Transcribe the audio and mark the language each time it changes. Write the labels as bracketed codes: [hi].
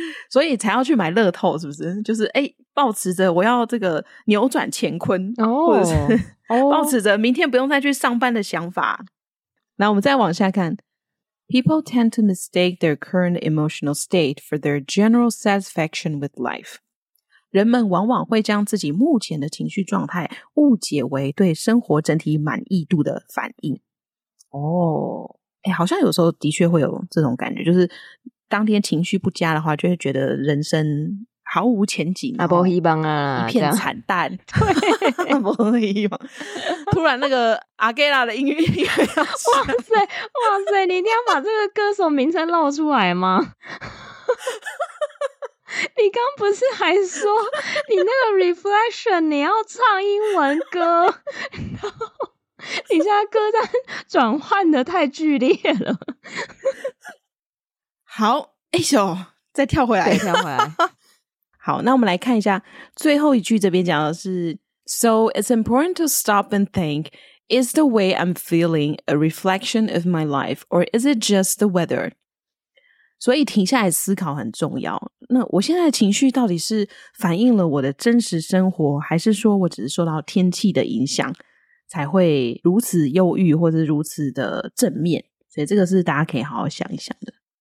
[zh] 所以才要去买乐透，是不是？就是哎，抱持着我要这个扭转乾坤，抱持着明天不用再去上班的想法。那我们再往下看。 [en] People tend to mistake their current emotional state for their general satisfaction with life. [zh] 人们往往会将自己目前的情绪状态误解为对生活整体满意度的反应。好像有时候的确会有这种感觉，就是当天情绪不佳的话，就会觉得人生毫无前景，没希望啊，一片惨淡。对，没希望。突然那个阿盖拉的音乐，哇塞哇塞，你一定要把这个歌手名称露出来吗？你刚不是还说你那个 reflection 你要唱英文歌，然后你现在歌单转换的太剧烈了。好，哎呦，再跳回来，再跳回来。好，那我们来看一下最后一句，这边讲的是 [en] So it's important to stop and think, is the way I'm feeling a reflection of my life, or is it just the weather? [zh] 所以停下来思考很重要，那我现在的情绪到底是反映了我的真实生活，还是说我只是受到天气的影响才会如此忧郁或者如此的正面？所以这个是大家可以好好想一想的。